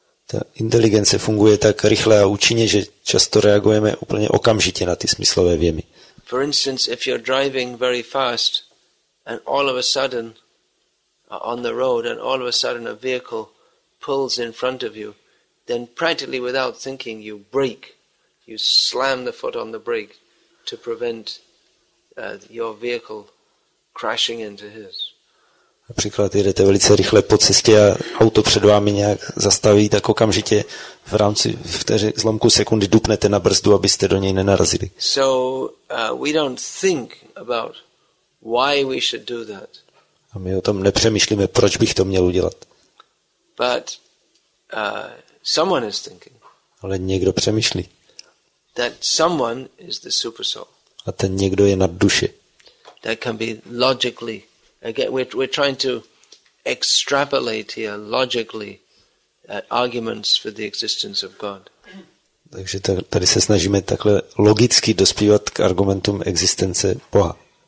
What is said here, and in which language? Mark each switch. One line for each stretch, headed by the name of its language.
Czech: Ta inteligence funguje tak rychle a účinně, že často reagujeme úplně okamžitě na ty smyslové věmy.
English: For instance, if you're driving very fast and all of a sudden on the road and all of a sudden a vehicle pulls in front of you, then practically without thinking you brake. You slam the foot on the brake to prevent your vehicle crashing into his.
Czech: Například jedete velice rychle po cestě a auto před vámi nějak zastaví, tak okamžitě v rámci zlomku sekundy dupnete na brzdu, abyste do něj nenarazili.
English: So we don't think about why we should do that.
Czech: A my o tom nepřemýšlíme, proč bych to měl udělat.
English: But someone is thinking.
Czech: Ale někdo přemýšlí.
English: That someone is the super soul.
Czech: A ten někdo je nad duše.
English: That can be logically. Again, we're trying to extrapolate here logically arguments for the existence of God.
Czech: Takže tady se snažíme takhle logicky dospívat k argumentům existence Boha.